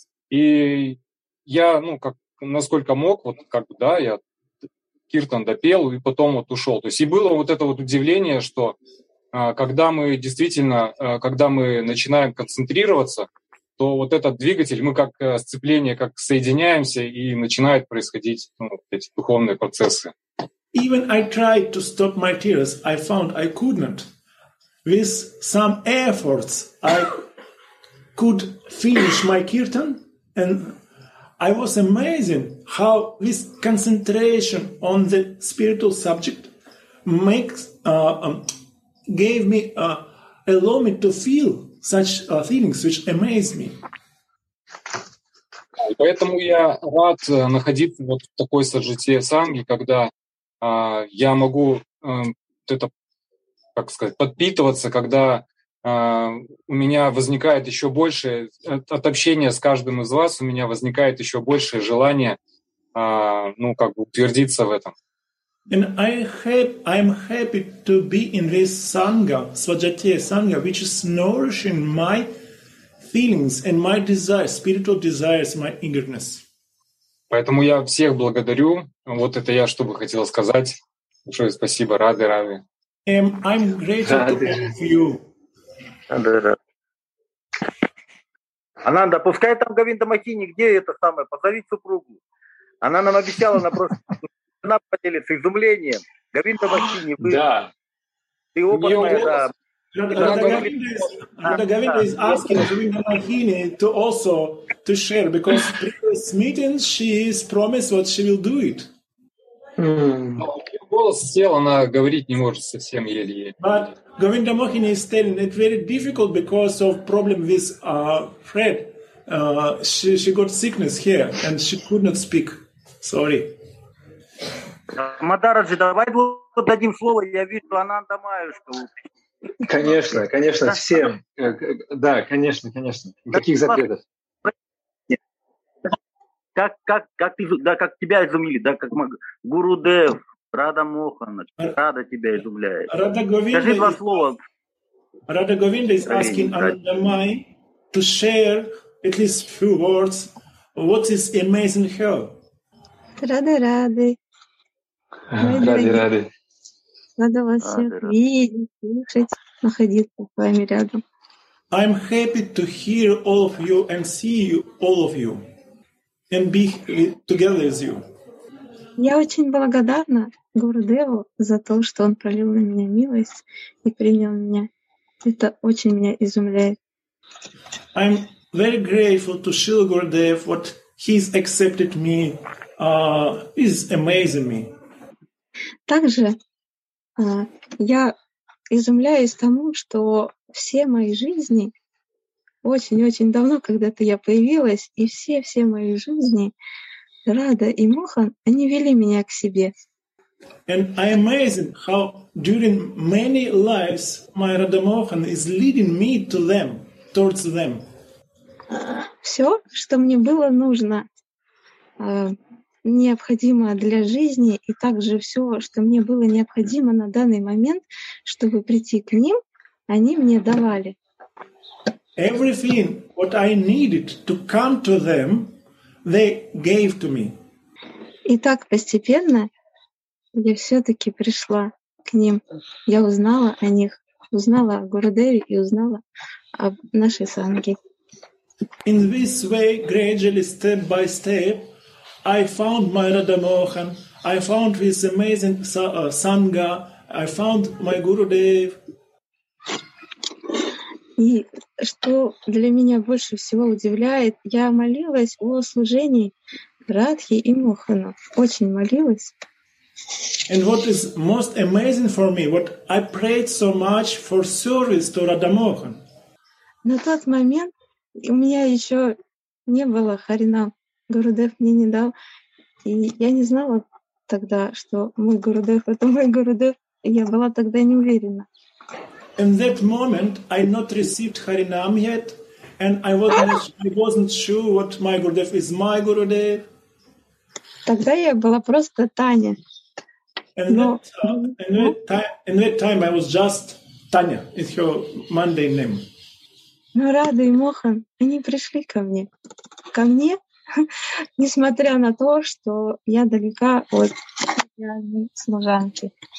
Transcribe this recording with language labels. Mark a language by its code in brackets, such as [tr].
[ru] И я, ну, как, насколько мог, вот как бы, да, я киртан допел и потом вот ушел. То есть и было вот это вот удивление, что когда мы действительно, когда мы начинаем концентрироваться, то вот этот двигатель, мы как сцепление, как соединяемся, и начинают происходить ну, эти духовные процессы. [en] Even I tried to stop my tears, I found I could not. With some efforts, I could finish my kirtan, and I was amazing how this concentration on the spiritual subject makes gave me allow me to feel such feelings, which amazed me. [ru] Поэтому я рад находиться вот в такой саджите санги, когда я могу это, как сказать, подпитываться, когда у меня возникает еще больше от общения с каждым из вас, у меня возникает еще большее желание, ну как бы утвердиться в этом. [en] And I'm happy to be in this sangha, svajatiya sangha, which is nourishing my feelings and my desires, spiritual desires, my eagerness. [ru] Поэтому я всех благодарю. Вот это я, чтобы хотел сказать. Большое спасибо, Раде. [en] I'm grateful to all of you. [ru] Ананда, пускай там Говинда Махини, где это самое, позови супругу. Она нам обещала, она просто она поделится изумлением. Говинда Махини, вы. Да. Ты опытная, да. [en] Говинда is asking Говинда Махини to also to share, because in previous meetings she has promised what she will do it. [ru] Голос сел, она говорить не может совсем еле-еле. [en] But Govinda Mohini is telling it very difficult because of problem with Fred. She got sickness here and she could not speak. Sorry. [ru] Мадараджи, давай дадим слово. Я вижу Ананда Маюшку. Конечно, конечно, всем. Да, конечно, конечно. Никаких запретов. Как ты, да, как тебя изумили, да, как Гуру Дев, Рада Мохана, Рада тебя изумляет. Скажи два слова. [en] Рада Говинда is asking Ananda Mai to share at least few words. What is amazing her? [ru] Рада. Ради. Рада вас всех видеть, слушать, находиться с вами рядом. [en] I'm happy to hear all of you and see you, all of you, and be together with you. [ru] Я очень благодарна Гурудеву за то, что он пролил на меня милость и принял меня. Это очень меня изумляет. [en] I'm very grateful to Srila Gurudev what he's accepted me is amazing me. [ru] Также я изумляюсь тому, что все мои жизни очень-очень давно, когда-то я появилась, и все-все мои жизни Рада и Мохан, они вели меня к себе. [en] And I amazed how during many lives my Radha Mohan is leading me to them, towards them. [ru] Все, что мне было нужно, необходимо для жизни, и также все, что мне было необходимо на данный момент, чтобы прийти к ним, они мне давали. [en] Everything what I needed to come to them, they gave to me. [ru] И так постепенно я все-таки пришла к ним. Я узнала о них, узнала о Гурудеве и узнала о нашей санге. [en] In this way, gradually, step by step, I found my Radha Mohan, I found this amazing sangha, I found my Gurudev. [ru] И что для меня больше всего удивляет, я молилась о служении Радхи и Мохану. Очень молилась. [en] And what is most amazing for me, what I prayed so much for service to Radha Mohan. [ru] На тот момент у меня еще не было харинам. Гурудев мне не дал. И я не знала тогда, что мой Гурудев — это мой Гурудев. Я была тогда не уверена. [en] In that moment, I not received Харинам yet, and I wasn't sure what my Gurudev is my Gurudev. [ru] Тогда я была просто Таня. [en] In that time, I was just Tanya, is her Monday name. [ru] Но Рада и Мохан, они пришли ко мне. Ко мне, несмотря на то, что я далека от служанки.